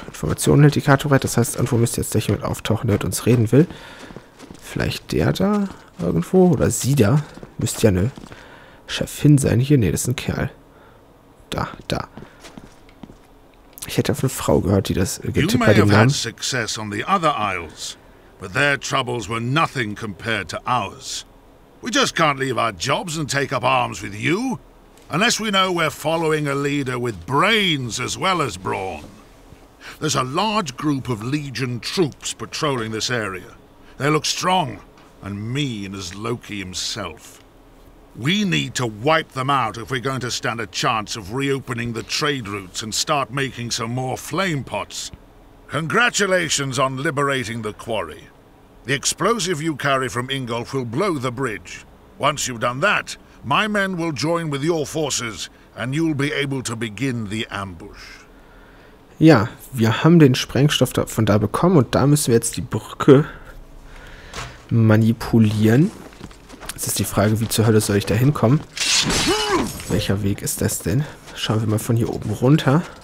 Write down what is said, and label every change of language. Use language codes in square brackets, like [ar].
[de] Informationen hält die Karte bereit, das heißt, irgendwo müsste jetzt gleich jemand auftauchen, der mit uns reden will. Vielleicht der da irgendwo, oder sie da. Müsste ja eine Chefin sein hier. Nee, das ist ein Kerl. Da, da. Ich hätte auf eine Frau gehört, die das getippt hat, den Namen. [en] Success on the other isles, but their troubles were nothing compared to ours. We just can't leave our jobs and take up arms with you. Unless we know we're following a leader with brains as well as brawn. There's a large group of Legion troops patrolling this area. They look strong and mean as Loki himself. We need to wipe them out if we're going to stand a chance of reopening the trade routes and start making some more flame pots. Congratulations on liberating the quarry. The explosive you carry from Ingolf will blow the bridge. Once you've done that, my men will join with your forces and you'll be able to begin the ambush. [de] Ja, wir haben den Sprengstoff von da bekommen und da müssen wir jetzt die Brücke manipulieren. Jetzt ist die Frage, wie zur Hölle soll ich da hinkommen? Welcher Weg ist das denn? Schauen wir mal von hier oben runter.